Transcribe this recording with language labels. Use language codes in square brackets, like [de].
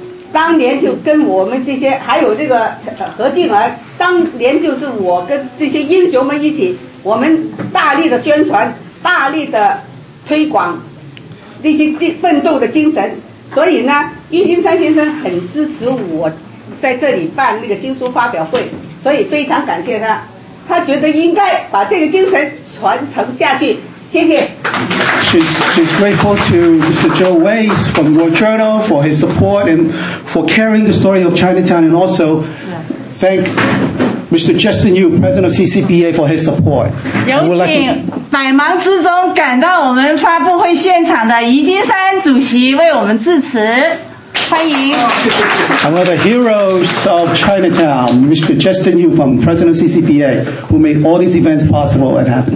[zh] 当年就跟我们这些，还有这个何静儿，当年就是我跟这些英雄们一起，我们大力的宣传，大力的推广那些奋斗的精神。所以呢，郁金山先生很支持我在这里办那个新书发表会，所以非常感谢他，他觉得应该把这个精神传承下去。谢谢。 [en] She's grateful to Mr. Joe Weiss from World Journal for his support and for carrying the story of Chinatown, and also thank Mr. Justin Yu, President of CCPA, for his support. [zh] 有请百忙之中赶到我们发布会现场的余金山主席为我们致辞，欢迎。 [en] I'm one of the heroes of Chinatown, Mr. Justin Yu from President of CCPA, who made all these events possible and happen.